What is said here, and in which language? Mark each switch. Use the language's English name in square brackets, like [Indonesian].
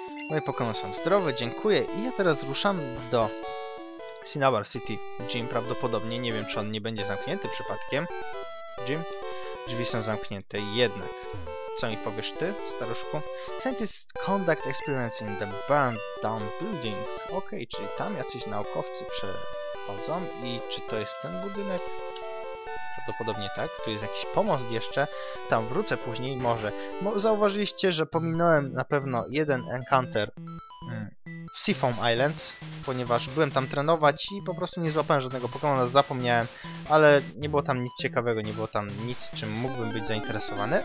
[Polish] Moje Pokémony są zdrowe, dziękuję. I ja teraz ruszam do Cinnabar City Gym prawdopodobnie. Nie wiem, czy on nie będzie zamknięty przypadkiem. Gym? Drzwi są zamknięte jednak. Co mi powiesz ty, staruszku? [English] Scientists conduct experiments in the burned down building. [Polish] Okej, czyli tam jacyś naukowcy przechodzą. I czy to jest ten budynek? Prawdopodobnie tak. Tu jest jakiś pomost jeszcze. Tam wrócę później, może. Bo zauważyliście, że pominąłem na pewno jeden encounter w Seafoam Islands, ponieważ byłem tam trenować i po prostu nie złapałem żadnego Pokemona, zapomniałem, ale nie było tam nic ciekawego, nie było tam nic, czym mógłbym być zainteresowany.